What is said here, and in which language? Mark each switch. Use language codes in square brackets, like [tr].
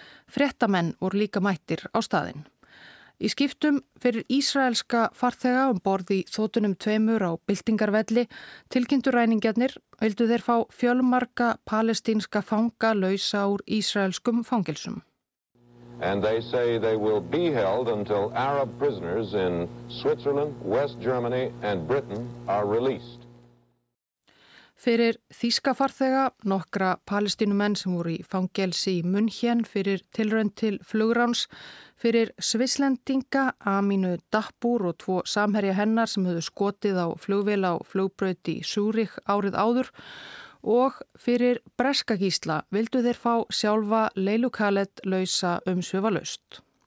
[is] Fréttamenn voru líka mættir á staðinn. Í skiptum fyrir ísraelska farþega borð í þotunum tveimur á byltingarvelli tilkynntu ræningjarnir vildu þeir fá fjölmarga palestínska fanga lausa úr ísraelskum fangelsum. [en] And they say they will be held until Arab prisoners in Switzerland, West Germany and Britain are released. [is] Fyrir þýska farþega, nokkra palestínumenn sem voru í fangelsi í München fyrir tilraun til flugráns, fyrir svisslendinga Aminu Dappur og tvo samherja hennar sem höfðu skotið á flugvél á flugbraut í Zurich árið áður og fyrir breska gísla vildu þeir fá sjálfa Leilu Khaled lausa umsvifalaust.